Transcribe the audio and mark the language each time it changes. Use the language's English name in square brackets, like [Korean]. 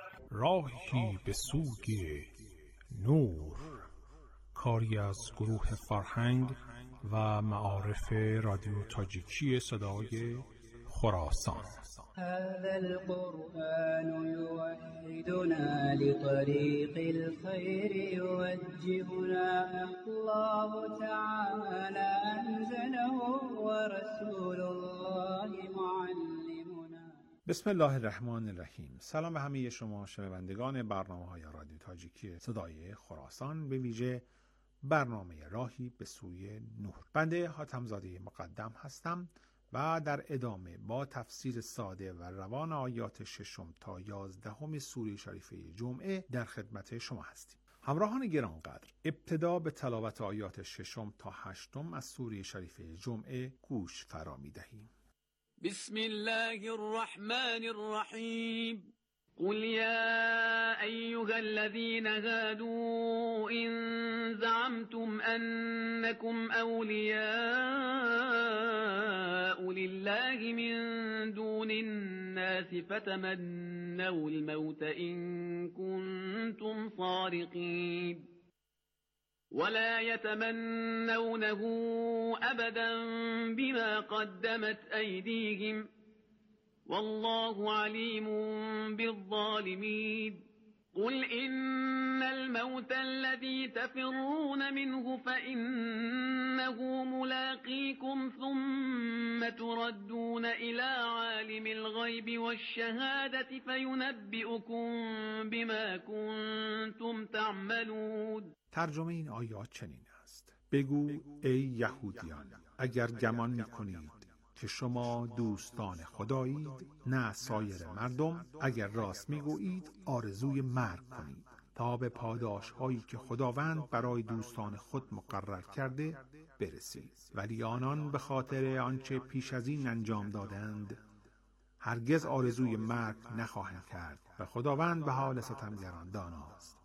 [Persian] راهی به سوی نور، کاری از گروه فرهنگ و معارف رادیو تاجیکی صدای خراسان. [Arabic] هذا القرآن يوحدنا لطريق الخير يوجهنا الله تعالى أنزله ورسول الله معلمنا. بسم الله الرحمن الرحیم. [Persian] سلام به همه شما شنوندگان برنامه های رادیو تاجیکی صدای خراسان، به ویژه برنامه راهی به سوی نور. بنده حاتم‌زاده مقدم هستم و در ادامه با تفسیر ساده و روان آیات ششم تا یازدهم سوره شریفه جمعه در خدمت شما هستیم. همراهان گرانقدر، ابتدا به تلاوت آیات ششم تا هشتم از سوره شریفه جمعه گوش فرا می دهیم. [Arabic] بسم الله الرحمن الرحیم. قل يا أيها الذين هادوا إن زعمتم أنكم أولياء لله من دون الناس فتمنوا الموت إن كنتم صادقين. ولا يتمنونه أبدا بما قدمت أيديهم والله عليم بالظالمين. قل إن الموت الذي تفرون منه فإنه ملاقيكم ثم تردون إلى عالم الغيب والشهادة فينبئكم بما كنتم تعملون. [Persian] ترجمه این آیات چنین است: بگو ای یهودیان، اگر گمان میکنید که شما دوستان خدایید، نه سایر مردم، اگر راست میگویید آرزوی مرگ کنید تا به پاداش هایی که خداوند برای دوستان خود مقرر کرده برسید، ولی آنان به خاطر آنچه پیش از این انجام دادند هرگز آرزوی مرگ نخواهند کرد و خداوند به حال ستمگران داناست.